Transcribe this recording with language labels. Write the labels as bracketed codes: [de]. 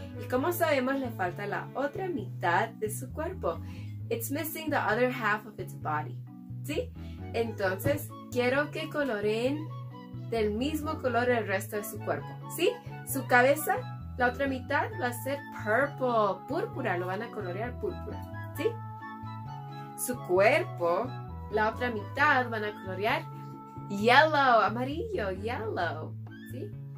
[es] Y como sabemos, le falta la otra mitad de su cuerpo. [en] It's missing the other half of its body. [es] ¿Sí? Entonces, quiero que coloreen del mismo color el resto de su cuerpo. ¿Sí? Su cabeza, la otra mitad, va a ser purple, púrpura. Lo van a colorear púrpura. ¿Sí? Su cuerpo, la otra mitad, van a colorear yellow, amarillo, yellow. ¿Sí?